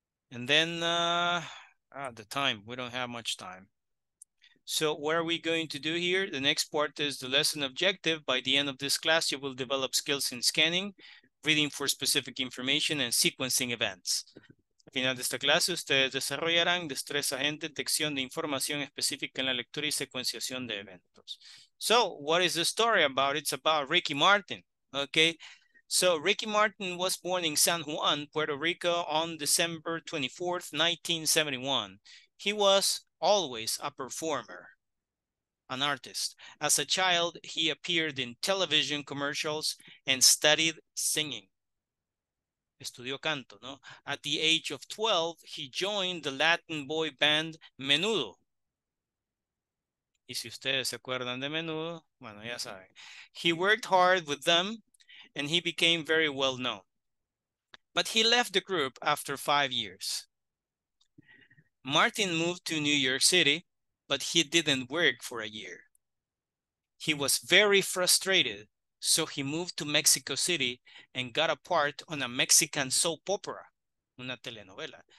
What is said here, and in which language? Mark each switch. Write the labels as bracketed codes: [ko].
[en] And then the time, we don't have much time. So what are we going to do here? The next part is the lesson objective. By the end of this class, you will develop skills in scanning, reading for specific information, and sequencing events. [es] Al final de esta clase, ustedes desarrollarán destrezas en detección de información específica en la lectura y secuenciación de eventos. [en] So what is the story about? It's about Ricky Martin, okay? So Ricky Martin was born in San Juan, Puerto Rico on December 24th, 1971. He was always a performer, an artist. As a child, he appeared in television commercials and studied singing. [es] Estudió canto, ¿no? [en] At the age of 12, he joined the Latin boy band Menudo. [es] Y si ustedes se acuerdan de Menudo, bueno, ya saben. [en] He worked hard with them and he became very well known. But he left the group after 5 years. Martin moved to New York City, but he didn't work for a year. He was very frustrated, so he moved to Mexico City and got a part on a Mexican soap opera, [es] una telenovela.